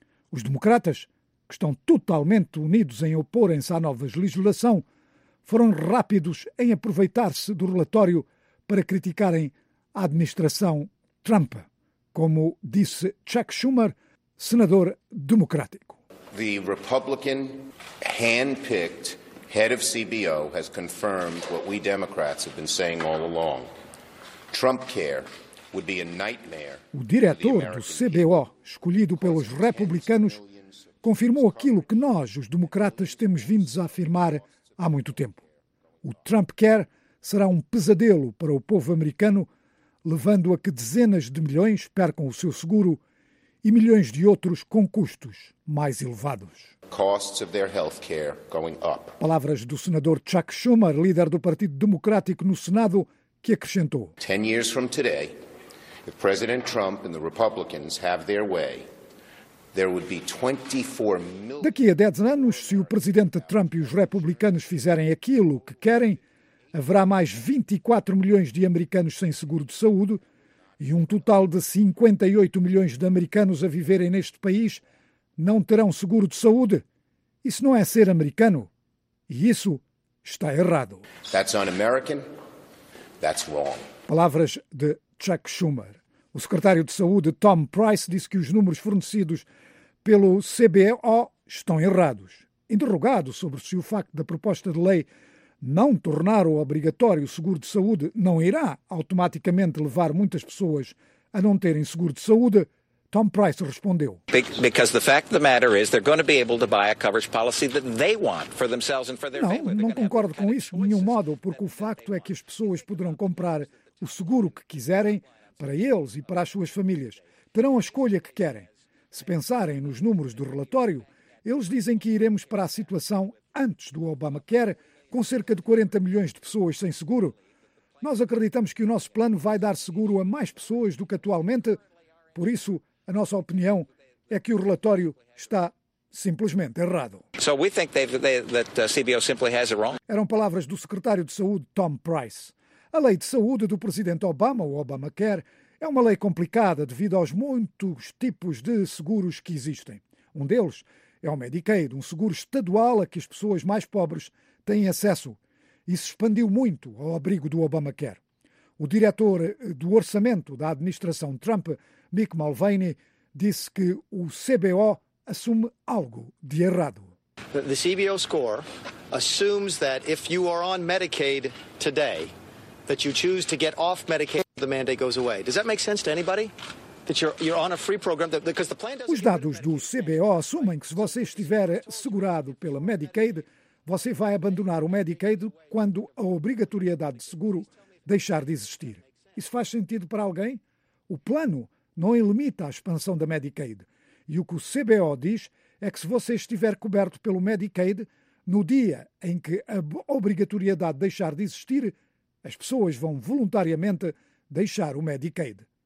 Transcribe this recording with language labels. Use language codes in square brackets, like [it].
[pt] Os democratas, que estão totalmente unidos em oporem-se à nova legislação, foram rápidos em aproveitar-se do relatório para criticarem a administração Trump, como disse Chuck Schumer, senador democrático. [en] The Republican hand-picked head of CBO has confirmed what we Democrats have been saying all along. Trump care would be a nightmare. [pt] O diretor do CBO, escolhido pelos republicanos, confirmou aquilo que nós, os democratas, temos vindo a afirmar há muito tempo. O Trump care será um pesadelo para o povo americano, levando a que dezenas de milhões percam o seu seguro e milhões de outros com custos mais elevados. [en] Costs of their health care going up. [pt] Palavras do senador Chuck Schumer, líder do Partido Democrático no Senado, que acrescentou: [en] 10 years from today, if President Trump and the Republicans have their way, there would be 24 million. [pt] Daqui a 10 anos, se o presidente Trump e os republicanos fizerem aquilo que querem, haverá mais 24 milhões de americanos sem seguro de saúde e um total de 58 milhões de americanos a viverem neste país não terão seguro de saúde. Isso não é ser americano. E isso está errado. [en] That's un-American. That's wrong. [pt] Palavras de Chuck Schumer. O secretário de Saúde, Tom Price, disse que os números fornecidos pelo CBO estão errados. Interrogado sobre se o facto da proposta de lei não tornar o obrigatório seguro de saúde não irá automaticamente levar muitas pessoas a não terem seguro de saúde, Tom Price respondeu. [en] Because the fact of the matter is they're going to be able to buy a coverage policy that they want for themselves and for their family. [pt] Não concordo com isso de nenhum modo, porque o facto é que as pessoas poderão comprar o seguro que quiserem para eles e para as suas famílias. Terão a escolha que querem. Se pensarem nos números do relatório, eles dizem que iremos para a situação antes do Obamacare, com cerca de 40 milhões de pessoas sem seguro. Nós acreditamos que o nosso plano vai dar seguro a mais pessoas do que atualmente. Por isso, a nossa opinião é que o relatório está simplesmente errado. Eram palavras do secretário de Saúde, Tom Price. A lei de saúde do presidente Obama, o Obamacare, é uma lei complicada devido aos muitos tipos de seguros que existem. Um deles é o Medicaid, um seguro estadual a que as pessoas mais pobres têm acesso. Isso expandiu muito ao abrigo do Obamacare. O diretor do orçamento da administração Trump, Mick Mulvaney, disse que o CBO assume algo de errado. [en] The CBO score assumes that if you are on Medicaid today, that you choose to get off Medicaid, the mandate goes away. Does that make sense to anybody? That you're on a free program because the plan doesn't. [pt] Os dados do CBO assumem que se você estiver segurado pela Medicaid, você vai abandonar o Medicaid quando a obrigatoriedade de seguro deixar de existir. Isso faz sentido para alguém? O plano não limita a expansão da Medicaid. E o que o CBO diz é que se você estiver coberto pelo Medicaid, no dia em que a obrigatoriedade deixar de existir, as pessoas vão voluntariamente deixar o Medicaid.